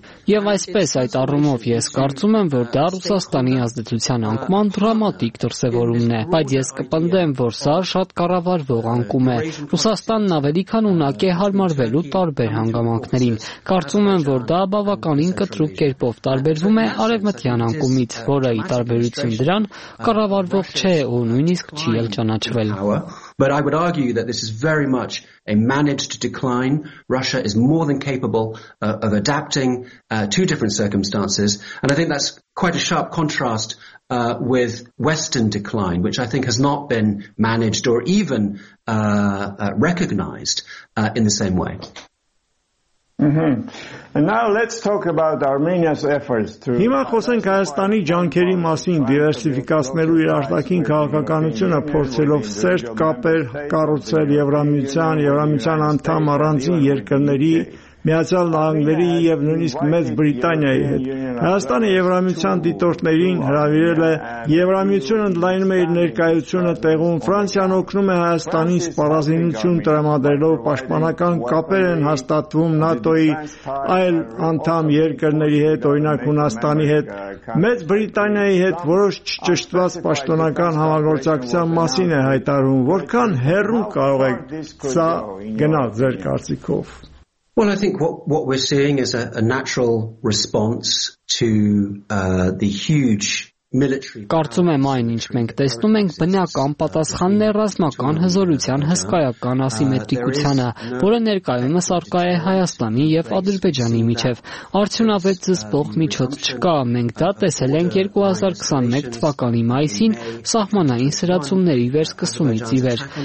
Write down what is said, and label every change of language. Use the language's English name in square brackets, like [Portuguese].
[Armenian] Եվ այսպես այդ առումով ես կարծում եմ, որ դա Ռուսաստանի ազդեցության անկման դրամատիկ դրսևորումն է, բայց ես կպնդեմ, որ սա շատ կառավարվող անկում է։ Ռուսաստանն ավելի քան ունակ է հարմարվելու տարբեր հանգամանքներին։ Կարծում եմ, որ դա բավականին կտրուկ կերպով տարբերվում է արևմտյան անկումից, որը ի տարբերություն դրան կառավարվող չէ ու նույնիսկ չի էլ ճանաչվել։ [English] But I would argue that this is very much a managed decline. Russia is more than capable of adapting to different circumstances, and I think that's quite a sharp contrast with Western decline, which I think has not been managed or even recognized in the same way. Now let's talk about Armenia's efforts to. [Armenian] Հիմա խոսենք Հայաստանի ջանքերի մասին, դիվերսիֆիկացնելու իր արտաքին քաղաքականությունը, փորձելով սերտ կապեր կառուցել Եվրամիության, Եվրամիության անդամ առանձին երկրների, Միացյալ Նահանգների և նույնիսկ Մեծ Բրիտանիայի հետ։ Հայաստանը Եվրամիության դիտորդներին հրավիրել է Եվրամիությունը ընդլայնում է իր ներկայությունը տեղում, Ֆրանսիան օգնում է Հայաստանին սպառազինություն տրամադրելով, պաշտպանական կապեր են հաստատվում ՆԱՏՕ-ի այլ անդամ երկրների հետ, օրինակ Հունաստանի հետ, Մեծ Բրիտանիայի հետ որոշ չճշտված պաշտոնական համագործակցության մասին է հայտարարում։ Որքան հեռու կարող է սա գնալ ձեր կարծիքով։ [English] Well, I think what we're seeing is a natural response to the huge [Armenian] Կարծում եմ այն, ինչ մենք տեսնում ենք, բնական պատասխանն է ռազմական հզորության հսկայական ասիմետրիկությանը, որը ներկայումս առկա է Հայաստանի և Ադրբեջանի միջև։ Արդյունավետ զսպող միջոց չկա, մենք դա տեսել ենք 2021 թվականի մայիսին սահմանային սրացումների վերսկսումից ի վեր,